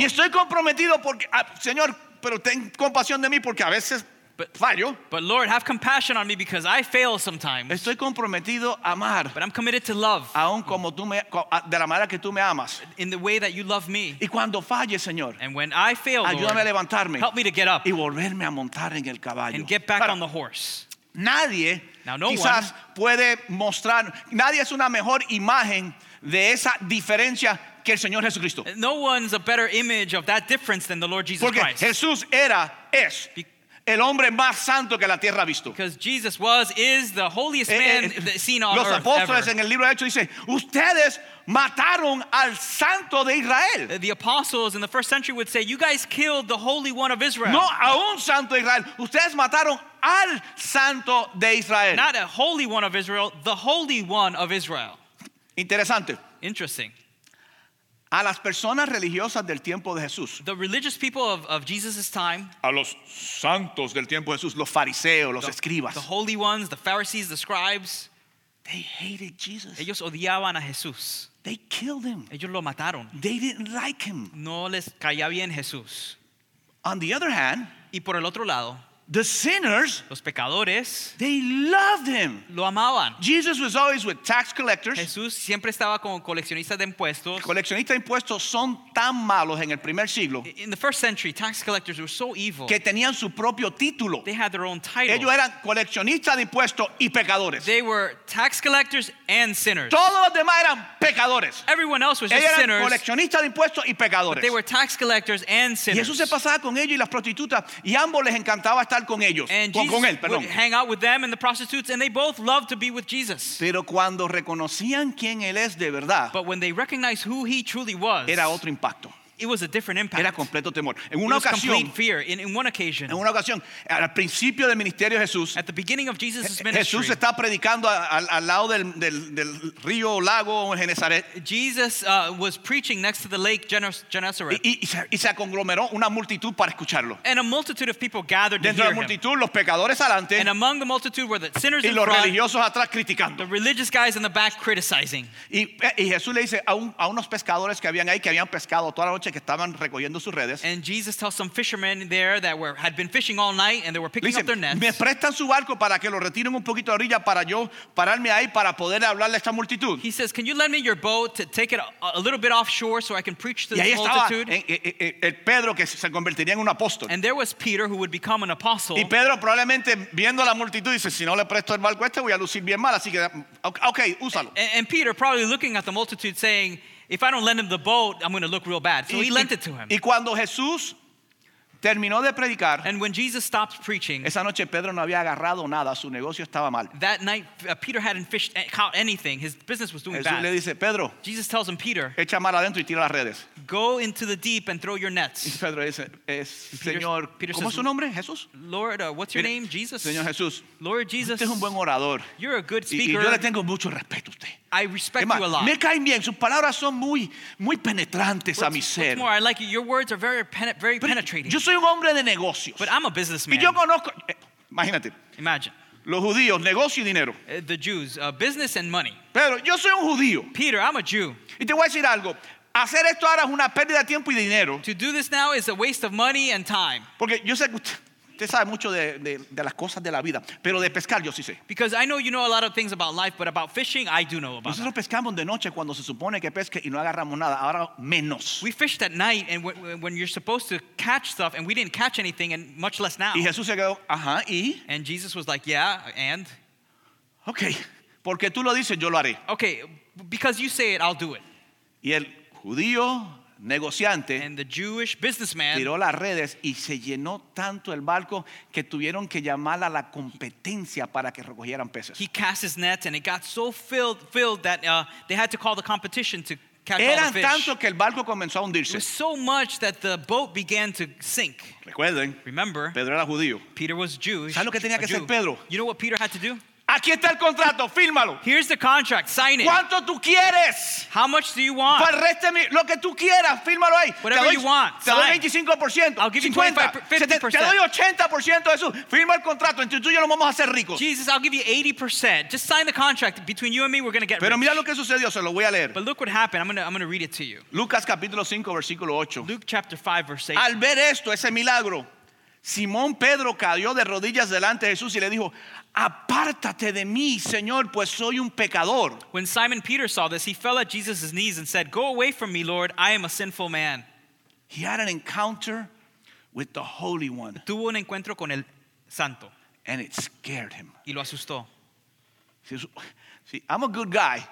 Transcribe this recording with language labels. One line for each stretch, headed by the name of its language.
Spanish: Y estoy comprometido porque, Señor, pero ten compasión de mí porque a veces
English: But Lord, have compassion on me because I fail sometimes.
Spanish: Estoy comprometido a amar.
English: But I'm committed to love.
Spanish: Aun como tú me, de la manera que tú me amas.
English: In the way that you love me.
Spanish: Y cuando falle, Señor.
English: And when I fail,
Spanish: ayúdame
English: Lord,
Spanish: a levantarme.
English: Help me to get up.
Spanish: Y volverme a montar en el caballo.
English: And get back on the horse.
Spanish: Nadie,
English: now, no
Spanish: quizás
English: one,
Spanish: puede mostrar. Nadie es una mejor imagen de esa diferencia. Que el Señor Jesucristo.
English: No one's a better image of that difference than the Lord Jesus
Spanish: porque
English: Christ.
Spanish: Porque Jesús era, es. El hombre más santo que la tierra ha visto.
English: Because Jesus was, is the holiest man seen on earth.
Spanish: Los apóstoles en el libro de Hechos dice, ustedes mataron al santo de Israel.
English: The apostles in the first century would say, you guys killed the holy one of Israel.
Spanish: No a un santo de Israel. Ustedes mataron al santo de Israel.
English: Not a holy one of Israel, the holy one of Israel.
Spanish: Interesante.
English: Interesting.
Spanish: A las personas religiosas del tiempo de Jesús.
English: The religious people of Jesus's time.
Spanish: A los santos del tiempo de Jesús, los fariseos, los escribas.
English: The holy ones, the Pharisees, the scribes. They hated Jesus.
Spanish: Ellos odiaban a Jesús.
English: They killed him.
Spanish: Ellos lo mataron.
English: They didn't like him.
Spanish: No les caía bien Jesús.
English: On the other hand,
Spanish: y por el otro lado,
English: the sinners,
Spanish: los pecadores,
English: they loved him.
Spanish: Lo amaban.
English: Jesus was always with tax collectors.
Spanish: Jesús siempre estaba con coleccionistas de impuestos. Coleccionistas de impuestos son tan malos en el primer siglo.
English: In the first century, tax collectors were so evil.
Spanish: Que tenían su propio título.
English: They had their own title.
Spanish: Ellos eran coleccionistas de impuestos y pecadores.
English: They were tax collectors and sinners.
Spanish: Todos los demás eran pecadores.
English: Everyone else was just sinners.
Spanish: Ellos eran coleccionistas de impuestos y pecadores.
English: But they were tax collectors and sinners.
Spanish: Y Jesús se pasaba con ellos y las prostitutas, y ambos les encantaba estar con ellos,
English: and
Spanish: con,
English: Jesus
Spanish: con él, perdón.
English: Would hang out with them and the prostitutes, and they both loved to be with Jesus.
Spanish: Pero cuando reconocían quién él es de verdad,
English: but when they recognized who he truly was,
Spanish: era otro impacto.
English: It was a different impact.
Spanish: Era completo temor. En
English: it
Spanish: una
English: was
Spanish: ocasión,
English: complete fear. In one occasion,
Spanish: en una ocasión, al principio del ministerio de Jesús,
English: at the beginning of Jesus' ministry,
Spanish: Jesús está predicando al lado del río o lago en Genezaret.
English: Jesus was preaching next to the lake Genezaret.
Spanish: Y se conglomeró una multitud para escucharlo.
English: And a multitude of people gathered
Spanish: dentro
English: to hear him.
Spanish: Dentro la multitud, los pecadores adelante.
English: And among the multitude were the sinners in front.
Spanish: Y los religiosos atrás criticando.
English: The religious guys in the back criticizing.
Spanish: Y Jesús le dice a unos pescadores que habían ahí, que habían pescado toda la noche, que estaban recogiendo sus redes.
English: And Jesus tells some fishermen there that had been fishing all night and they were picking up their nets.
Spanish: Me prestan su barco para que lo retiren un poquito de orilla para yo pararme ahí para poder hablarle a esta multitud.
English: He says, can you lend me your boat to take it a little bit offshore so I can preach to the multitude?
Spanish: Y ahí estaba el Pedro, que se convertiría en un apóstol.
English: And there was Peter, who would become an apostle.
Spanish: Y Pedro probablemente viendo la multitud dice, si no le presto el barco este voy a lucir bien mal, así que okay, úsalo.
English: And Peter probably looking at the multitude saying, if I don't lend him the boat, I'm going to look real bad. So he lent it to him.
Spanish: Y cuando Jesús terminó de predicar,
English: and when Jesus stopped preaching,
Spanish: esa noche Pedro no había agarrado nada, su negocio estaba mal.
English: That night, Peter hadn't fished, caught anything. His business was doing
Spanish: Jesús
English: bad.
Spanish: Le dice, Pedro,
English: Jesus tells him, Peter,
Spanish: echa mal adentro y tira las redes.
English: Go into the deep and throw your nets.
Spanish: Y Pedro dice, Señor, ¿cómo es su nombre? Jesús.
English: Lord, what's your name? Jesus.
Spanish: Señor Jesús.
English: Lord Jesus.
Spanish: Usted es un buen orador.
English: You're a good speaker.
Spanish: Y yo le tengo mucho respeto a usted.
English: I respect you a lot.
Spanish: Me caen bien. Sus palabras son muy penetrantes a mi ser.
English: What's more, I like you. Your words are very penetrating.
Spanish: Yo soy un hombre de negocios.
English: But I'm a businessman.
Spanish: Y yo conozco. Imagínate.
English: Imagine.
Spanish: Los judíos, negocio y dinero.
English: The Jews, business and money.
Spanish: Pedro, yo soy un judío.
English: Peter, I'm a Jew.
Spanish: Y te voy a decir algo. Hacer esto ahora es una pérdida de tiempo y dinero.
English: To do this now is a waste of money and time.
Spanish: Porque yo sé que usted sabe mucho de las cosas de la vida, pero de pescar yo sí sé.
English: Because I know you know a lot of things about life, but about fishing, I do know about.
Spanish: Nosotros pescamos de noche cuando se supone que pesque y no agarramos nada. Ahora menos.
English: We fished at night and when you're supposed to catch stuff, and we didn't catch anything, and much less now.
Spanish: Y Jesús se quedó, ajá, ¿y?
English: And Jesus was like, yeah, and.
Spanish: Okay, porque tú lo dices, yo lo haré.
English: Okay, because you say it, I'll do it.
Spanish: Y el judío negociante,
English: and the Jewish businessman,
Spanish: tiró las redes y se llenó tanto el barco que tuvieron que llamar a la competencia para que recogieran peces.
English: He cast his net and it got so filled that they had to call the competition to catch all the
Spanish: fish. Eran tanto que el barco comenzó a hundirse.
English: It was so much that the boat began to sink.
Spanish: Recuerden,
English: remember,
Spanish: Pedro era judío.
English: Peter was Jewish.
Spanish: ¿Sabes lo que tenía que hacer Pedro?
English: You know what Peter had to do?
Spanish: Aquí está el contrato, fírmalo.
English: Here's the contract, sign it.
Spanish: ¿Cuánto tú quieres?
English: How much do you want?
Spanish: Para el resto de mí, lo que tú quieras, fírmalo ahí.
English: Whatever
Spanish: doy,
English: you want,
Spanish: te doy 25%,
English: I'll give 50%, you
Spanish: 50%. Te doy 80% de eso. Firma el contrato, entre tú y yo lo vamos a hacer ricos.
English: Jesus, I'll give you 80%. Just sign the contract. Between you and me, we're going to get
Spanish: pero
English: rich.
Spanish: Pero mira lo que sucedió, se lo voy a leer.
English: But look what happened, I'm going to read it to you.
Spanish: Lucas capítulo 5, versículo 8.
English: Luke chapter 5, verse 8.
Spanish: Al ver esto, ese milagro, Simón Pedro cayó de rodillas delante de Jesús y le dijo, apártate de mí, Señor, pues soy un pecador.
English: When Simon Peter saw this, he fell at Jesus' knees and said, go away from me, Lord, I am a sinful man. He had an encounter with the Holy One.
Spanish: Tuvo un encuentro con el Santo.
English: And it scared him.
Spanish: Y lo asustó.
English: See, I'm a good guy.